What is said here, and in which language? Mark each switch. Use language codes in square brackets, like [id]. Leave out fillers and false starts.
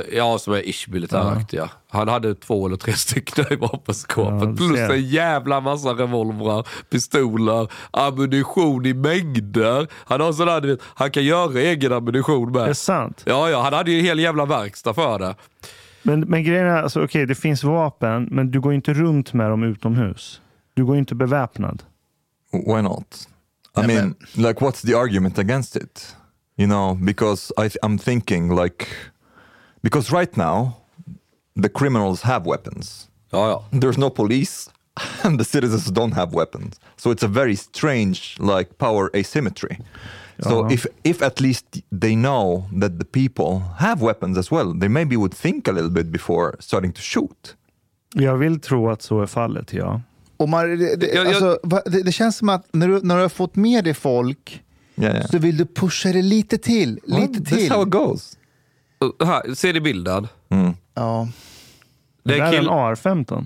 [sv] Ja, som är ish-militäraktiga. Ja. Han hade två eller tre stycken i vapenskåpet. Ja, plus en jävla massa revolver, pistoler, ammunition i mängder. Han har sådär, vet, han kan göra egen ammunition med. Det är sant. Ja, ja, han hade ju en hel jävla verkstad för det. Men grejen är, alltså, okej, det finns vapen, men du går inte runt med dem utomhus. Du går inte beväpnad. [en] Why not? I mean, like, what's the argument against it? You know, because I'm thinking like, because right now the criminals have weapons. Oh, yeah. There's no police and the citizens don't have weapons. So it's a very strange like power asymmetry. So if at least they know that the people have weapons as well, they maybe would think a little bit before starting to shoot. [sv] Jag vill tro att så är fallet, ja. Omar, det känns som att när du har fått med dig folk... [en] Yeah. [sv] Så vill du pusha det lite till. Lite [en] this [sv] till. [en] How it goes. [sv] Här, ser du bilden? Mm. Ja. Det är en AR-15.